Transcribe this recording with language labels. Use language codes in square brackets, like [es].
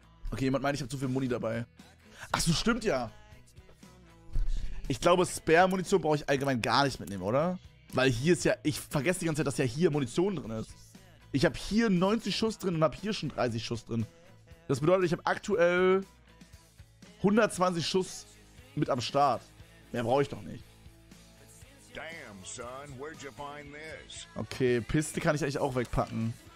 [de] Okay, jemand meint, ich habe zu viel Muni dabei. Ach so, stimmt ja. Ich glaube, Spare-Munition brauche ich allgemein gar nicht mitnehmen, oder? Weil hier ist ja, ich vergesse die ganze Zeit, dass ja hier Munition drin ist. Ich habe hier 90 Schuss drin und habe hier schon 30 Schuss drin. Das bedeutet, ich habe aktuell 120 Schuss mit am Start. Mehr brauche ich doch nicht. [en] Damn, son, where'd you find this? [de] Okay, Piste kann ich eigentlich auch wegpacken.